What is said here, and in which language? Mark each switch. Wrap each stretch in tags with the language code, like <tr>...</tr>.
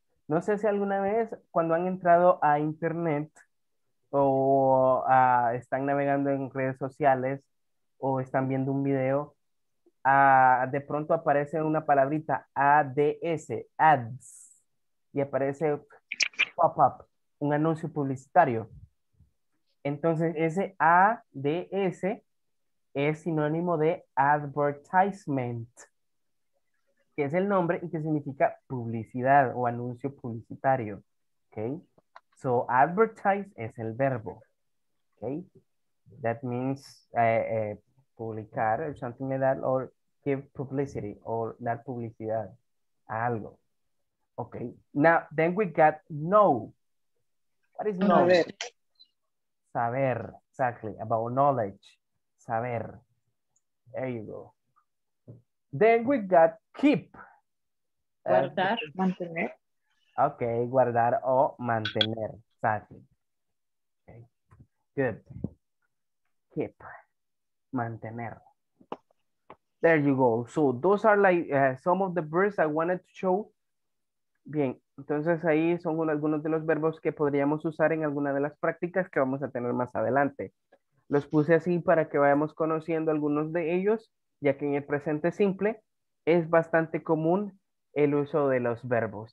<es>No sé si alguna vez cuando han entrado a internet o están navegando en redes sociales o están viendo un video, de pronto aparece una palabrita ADS, ads, y aparece pop-up, un anuncio publicitario. Entonces, ese ADS es sinónimo de advertisement, que es el nombre y que significa publicidad o anuncio publicitario. Okay? So, advertise es el verbo. Okay?</es> <en>That means publicar, or something like that, or give publicity, or</en> <es>dar publicidad a algo.</es> <en>Okay, now, then we got know. What is know? Saber, exactly, about knowledge. Saber. There you go. Then we got keep.</en> <es>Guardar, mantener. Okay, guardar o mantener,</es> <en>exactly. Okay, good. Keep, mantener. There you go. So those are like some of the verbs I wanted to show.</en> <es>Bien, entonces ahí son algunos de los verbos que podríamos usar en alguna de las prácticas que vamos a tener más adelante. Los puse así para que vayamos conociendo algunos de ellos, ya que en el presente simple es bastante común el uso de los verbos.</es>